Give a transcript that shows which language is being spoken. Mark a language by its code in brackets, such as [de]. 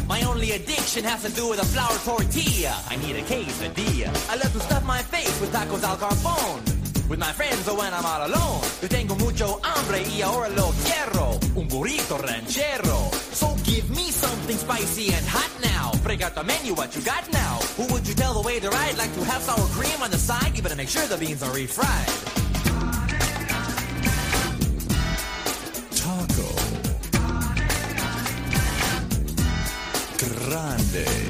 [en] My only addiction has to do with a flour tortilla. I need a quesadilla. I love to stuff my face with tacos al carbón. With my friends or when I'm all alone. [es] Yo tengo mucho hambre y ahora lo quiero. Un burrito ranchero. [en] So give me something spicy and hot now. Break out the menu, what you got now? Who would you tell the waiter I'd like to have sour cream on the side? You better make sure the beans are refried. [es] Taco Grande.